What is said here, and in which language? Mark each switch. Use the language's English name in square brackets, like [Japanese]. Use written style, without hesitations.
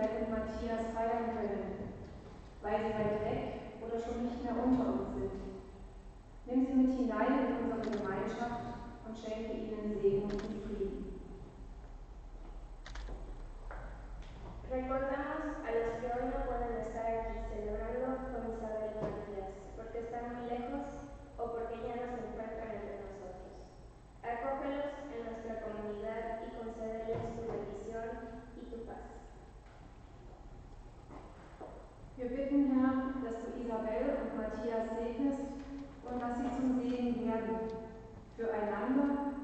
[German] Matthias feiern können, weil sie weit weg oder schon nicht mehr unter uns sind. Nimm sie mit hinein in unsere Gemeinschaft und schenke ihnen Segen und Frieden. [Spanish] Recordamos a los que hoy no pueden estar aquí celebrando con Isabel y Matías, porque están muy lejos o porque ya no se encuentran entre nosotros. Acógelos en nuestra comunidad y concédeles tu bendición y tu paz. [German] Wir bitten, Herr, dass du Isabel und Matthias segnest und dass sie zum Segen werden, füreinander